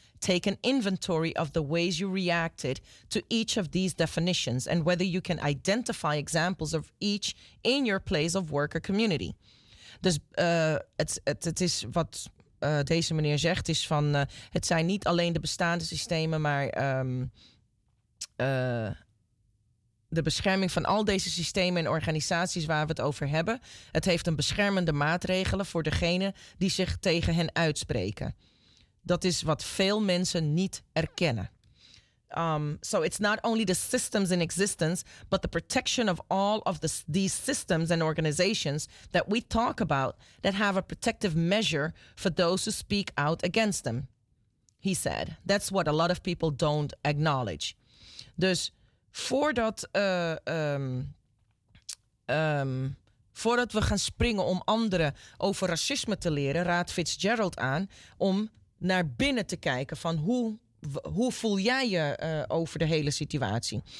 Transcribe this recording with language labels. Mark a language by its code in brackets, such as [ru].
[en] Take an inventory of the ways you reacted to each of these definitions and whether you can identify examples of each in your place of work or community. [nl] Dus het is wat deze meneer zegt, is van het zijn niet alleen de bestaande systemen, maar de bescherming van al deze systemen en organisaties waar we het over hebben. Het heeft een beschermende maatregelen voor degene die zich tegen hen uitspreken. Dat is wat veel mensen niet erkennen. [en] So it's not only the systems in existence, but the protection of all of these systems and organizations that we talk about that have a protective measure for those who speak out against them. He said, that's what a lot of people don't acknowledge. [nl] Dus voordat, voordat we gaan springen om anderen over racisme te leren, raadt Fitzgerald aan om naar binnen te kijken van hoe voel jij je over de hele situatie.